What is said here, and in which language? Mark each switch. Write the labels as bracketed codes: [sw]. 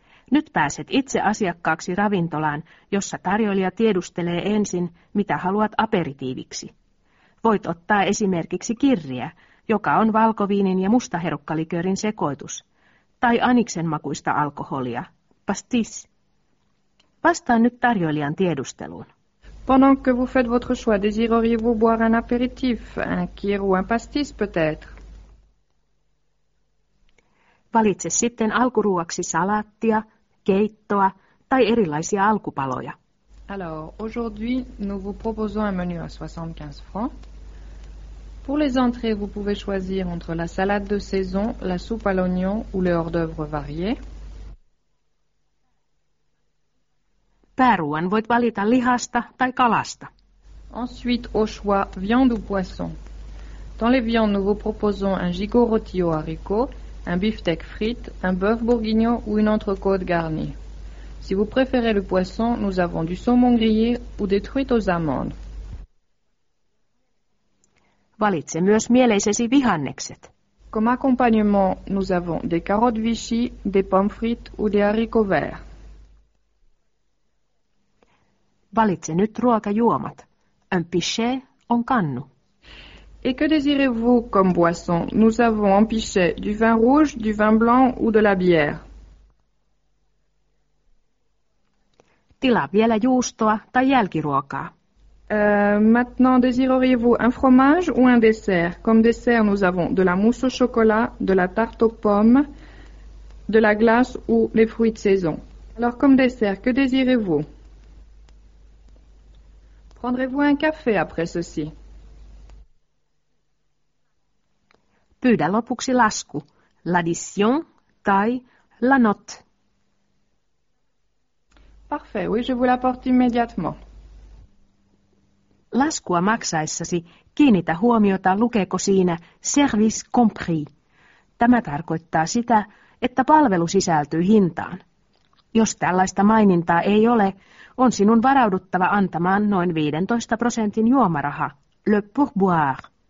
[fi] Nyt pääset itse asiakkaaksi ravintolaan, jossa tarjoilija tiedustelee ensin, mitä haluat aperitiiviksi. Voit ottaa esimerkiksi kirriä, joka on valkoviinin ja mustaherukkalikörin sekoitus, tai aniksen makuista alkoholia. Pastis. Vastaan nyt tarjoilijan tiedusteluun. [fr] Pendant que vous faites votre choix, désireriez-vous boire un apéritif, un kir ou un pastis peut-être? [fi] Valitse sitten alkuruoksi salaattia, keittoa tai erilaisia alkupaloja. [fr] Alors, aujourd'hui, nous vous proposons un menu à 75 francs. Pour les entrées, vous pouvez choisir entre la salade de saison, la soupe à l'oignon ou les hors-d'œuvre variés. [fi] Pääruoan voit valita lihasta tai kalasta. [fr] Ensuite, au choix, viande ou poisson. Dans les viandes, nous vous proposons un gigot rôti aux haricots, un beefsteak frites, un bœuf bourguignon ou une entrecôte garnie. Si vous préférez le poisson, nous avons du saumon grillé ou des truites aux amandes. [fi] Valitse myös mieleisesi vihannekset. [fr] Comme accompagnement, nous avons des carottes vichy, des pommes frites ou des haricots verts. [fi] Valitse nyt ruokajuomat. Un pichet on kannu. [fr] Et que désirez-vous comme boisson? Nous avons en pichet du vin rouge, du vin blanc ou de la bière. [fi] Tilaa vielä juustoa tai jälkiruokaa. [fr] Maintenant, désireriez-vous un fromage ou un dessert? Comme dessert, nous avons de la mousse au chocolat, de la tarte aux pommes, de la glace ou les fruits de saison. Alors, comme dessert, que désirez-vous? Prendrez-vous un café après ceci? [fi] Pyydä lopuksi lasku, l'addition tai la note. [fr] Parfait, oui, je vous l'apporte immédiatement. [fi] Laskua maksaessasi kiinnitä huomiota, lukeeko siinä service compris. Tämä tarkoittaa sitä, että palvelu sisältyy hintaan. Jos tällaista mainintaa ei ole, on sinun varauduttava antamaan noin 15% juomaraha, le pourboire.